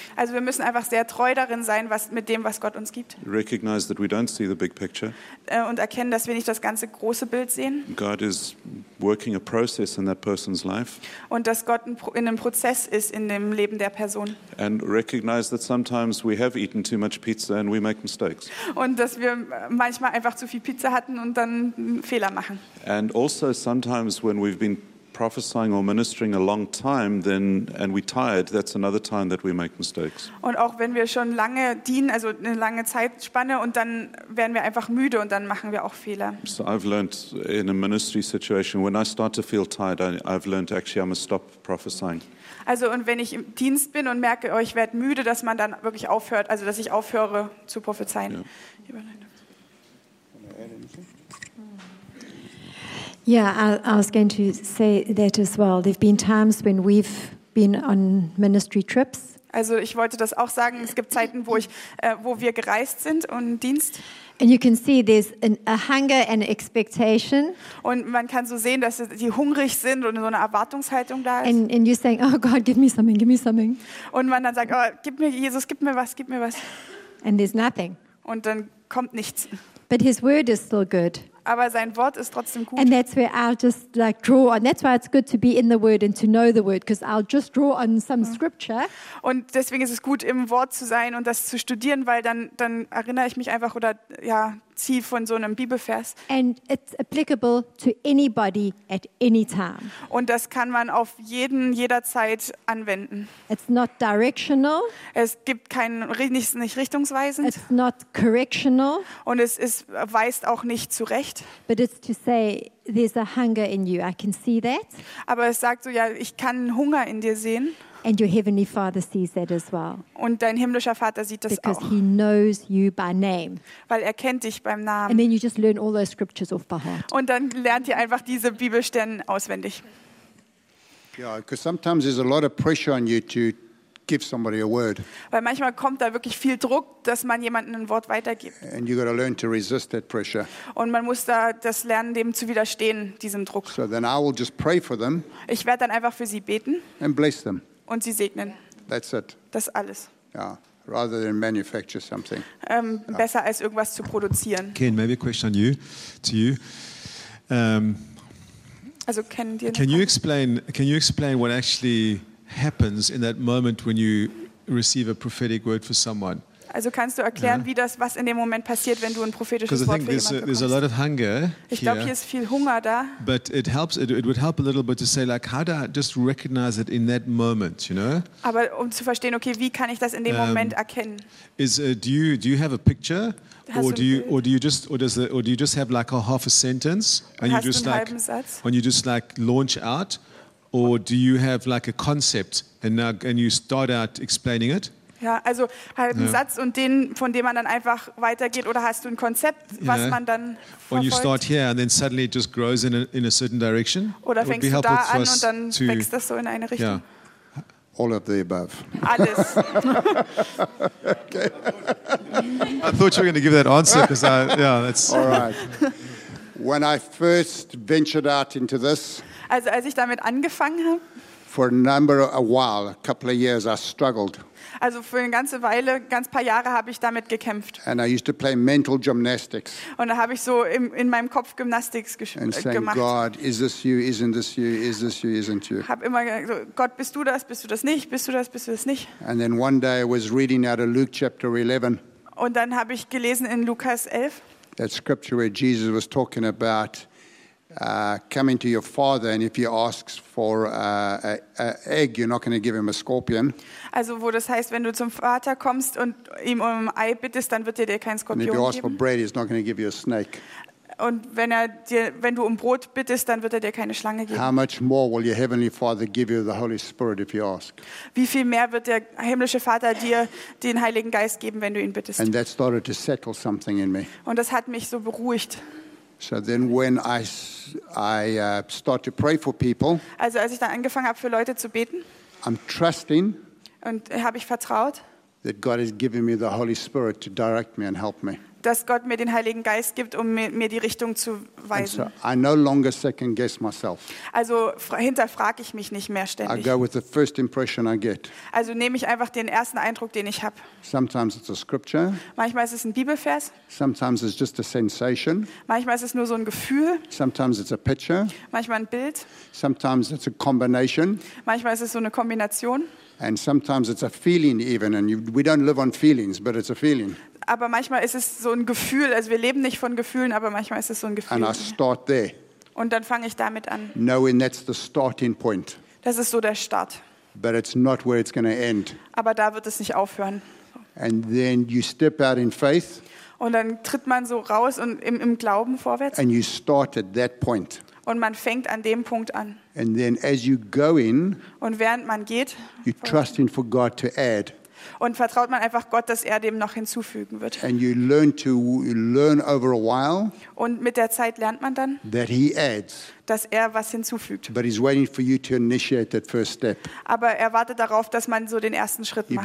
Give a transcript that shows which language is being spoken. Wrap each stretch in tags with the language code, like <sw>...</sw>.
<de>Also wir müssen einfach sehr treu darin sein, was Gott uns gibt.</de> <en>Recognize that we don't see the big picture.</en> <de>Und erkennen, dass wir nicht das ganze große Bild sehen.</de> <en>God is working a process in that person's life.</en> <de>Und dass Gott in einem Prozess ist in dem Leben der Person.</de> <en>And recognize that sometimes we have eaten too much pizza and we make mistakes.</en> <de>Und dass wir manchmal einfach zu viel Pizza hatten und dann Fehler machen.</de> <en>And also sometimes when we've been prophesying or ministering a long time, then and we're tired, that's another time that we make mistakes.</en> <de>Und auch wenn wir schon lange dienen, also eine lange Zeitspanne, und dann werden wir einfach müde und dann machen wir auch Fehler.</de> <en>So I've learned in a ministry situation, when I start to feel tired, I've learned actually I must stop prophesying.</en> <de>Also und wenn ich im Dienst bin und merke, ich werde müde, dass man dann wirklich aufhört, also dass ich aufhöre zu prophezeien.</de> <en>Yeah, I was going to say that as well. There've been times when we've been on ministry trips.</en> <de>Also, ich wollte das auch sagen. Es gibt Zeiten, wo wir gereist sind und Dienst.</de> <en>And you can see there's a hunger and expectation.</en> <de>Und man kann so sehen, dass sie hungrig sind und so eine Erwartungshaltung da ist.</de> <en>And you're saying, oh God, give me something.</en> <de>Und man dann sagt, oh, gib mir Jesus, gib mir was.</de> <en>And there's nothing.</en> <de>Und dann kommt nichts.</de> <en>But His word is still good.</en> <de>Aber sein Wort ist trotzdem gut.</de> <en>And that's where I'll just like draw on. That's why it's good to be in the Word and to know the Word, because I'll just draw on some scripture.</en> <de>Und deswegen ist es gut, im Wort zu sein und das zu studieren, weil dann erinnere ich mich einfach oder ja, Ziel von so einem Bibelvers.</de> <en>And it's applicable to anybody at any time.</en> <de>Und das kann man auf jeden jederzeit anwenden.</de> <en>It's not directional.</en> <de>Es gibt keinen, nicht richtungsweisend.</de> <en>It's not correctional.</en> <de>Und es ist, weist auch nicht zurecht.</de> <en>But it's to say, there's a hunger in you. I can see that.</en> <de>Aber es sagt so, ja, ich kann Hunger in dir sehen.</de> <en>And your heavenly Father sees that as well.</en> <de>Und dein himmlischer Vater sieht das</de> <en>Because</en> <de>auch.</de> <en>He knows you by name.</en> <de>Weil er kennt dich beim Namen.</de> <en>And then you just learn all those scriptures off by heart.</en> <de>Und dann lernt ihr einfach diese Bibelstellen auswendig.</de> <en>Yeah, because sometimes there's a lot of pressure on you to give somebody a word.</en> <de>Weil manchmal kommt da wirklich viel Druck, dass man jemandem ein Wort weitergibt.</de> <en>And you got to learn to resist that pressure.</en> <de>Und man muss da das lernen, dem zu widerstehen, diesem Druck.</de> <en>So then I will just pray for them.</en> <de>Ich werde dann einfach für sie beten.</de> <en>And bless them.</en> <de>Und sie segnen.</de> <en>That's it.</en> <de>Das alles.</de> <en>Yeah. Rather than manufacture something.</en> <de>Besser als irgendwas zu produzieren.</de> <en>Ken, maybe a question you, to you.</en> <de>Also Ken, dir</de> <en>can you explain? Can you explain what actually happens in that moment when you receive a prophetic word for someone?</en> <de>Also kannst du erklären, wie das, was in dem Moment passiert, wenn du ein prophetisches Wort für jemanden bekommst?</de> <en>A lot of hunger</en> <de>ich glaube, hier ist viel Hunger da.</de> <en>But it helps. It would help a little bit to say, like, how do I just recognize it in that moment? You know.</en> <de>Aber um zu verstehen, okay, wie kann ich das in dem Moment erkennen?</de> <en>Do you have a picture? Or do you just have like a half a sentence? And you just</en> <de>like Satz?</de> <en>And you just like launch out, or do you have like a concept and you start out explaining it?</en> <de>Ja, also halt einen Satz und den, von dem man dann einfach weitergeht, oder hast du ein Konzept, was man dann verfolgt?</de> <en>When you start here and then suddenly it just grows in a certain direction.</en> <de>Oder fängst du da an und dann wächst das so in eine Richtung?</de> <en>Yeah. All of the above.</en> <de>Alles.</de> <en>Okay. I thought you were going to give that answer, because that's... All right. When I first ventured out into this...</en> <de>Also als ich damit angefangen habe...</de> <en>For a couple of years, I struggled.</en> <de>Also für eine ganze Weile, ganz paar Jahre habe ich damit gekämpft.</de> <en>And I used to play mental gymnastics.</en> <de>Und da habe ich so in meinem Kopf Gymnastics gemacht.</de> <en>God, is this you? Isn't this you? Is this you? Isn't you?</en> <de>Habe immer gesagt, so, Gott, bist du das? Bist du das nicht? Bist du das? Bist du das nicht?</de> <en>And then one day I was reading out of Luke chapter 11.</en> <de>Und dann habe ich gelesen in Lukas 11.</de> <en>That scripture where Jesus was talking about coming to your father, and if he asks for an egg, you're not going to give him a scorpion.</en> <de>Also, wo das heißt, wenn du zum Vater kommst und ihm um Ei bittest, dann wird er dir kein Skorpion geben.</de> <en>And if you ask for bread, he's not going to give you a snake.</en> <de>Und wenn du um Brot bittest, dann wird er dir keine Schlange geben.</de> <en>How much more will your heavenly Father give you the Holy Spirit if you ask?</en> <de>Wie viel mehr wird der himmlische Vater dir den Heiligen Geist geben, wenn du ihn bittest?</de> <en>And that started to settle something in me.</en> <de>Und das hat mich so beruhigt.</de> <en>So then when I start to pray for people,</en> <de>also als ich dann angefangen habe, für Leute zu beten,</de> <en>I'm trusting,</en> <de>und habe ich vertraut,</de> <en>that God has given me the Holy Spirit to direct me and help me.</en> <de>Dass Gott mir den Heiligen Geist gibt, um mir die Richtung zu weisen.</de> <en>And so I no longer second guess myself.</en> <de>Also hinterfrage ich mich nicht mehr ständig.</de> <en>I go with the first impression I get.</en> <de>Also nehme ich einfach den ersten Eindruck, den ich habe.</de> <en>Sometimes it's a scripture.</en> <de>Manchmal ist es ein Bibelvers.</de> <en>Sometimes it's just a sensation.</en> <de>Manchmal ist es nur so ein Gefühl.</de> <en>Sometimes it's a picture.</en> <de>Manchmal ein Bild.</de> <en>Sometimes it's a combination.</en> <de>Manchmal ist es so eine Kombination.</de> <en>And sometimes it's a feeling even, and we don't live on feelings, but it's a feeling.</en> <de>Aber manchmal ist es so ein Gefühl, also wir leben nicht von Gefühlen, aber manchmal ist es so ein Gefühl.</de> <en>And I start there.</en> <de>Und dann fange ich damit an.</de> <en>Knowing that's the starting point.</en> <de>Das ist so der Start.</de> <en>But it's not where it's going to end.</en> <de>Aber da wird es nicht aufhören.</de> <en>And then you step out in faith.</en> <de>Und dann tritt man so raus und im Glauben vorwärts.</de> <en>And you start at that point.</en> <de>Und man fängt an dem Punkt an.</de> <en>And then as you go in,</en> <de>und während man geht,</de> <en>you trust in for God to add.</en> <de>Und vertraut man einfach Gott, dass er dem noch hinzufügen wird.</de> <en>And you learn to learn over a while,</en> <de>und mit der Zeit lernt man dann,</de> <en>that he adds,</en> <de>dass er was hinzufügt.</de> <en>But he's waiting for you to initiate that first step.</en> <de>Aber er wartet darauf, dass man so den ersten Schritt macht.</de>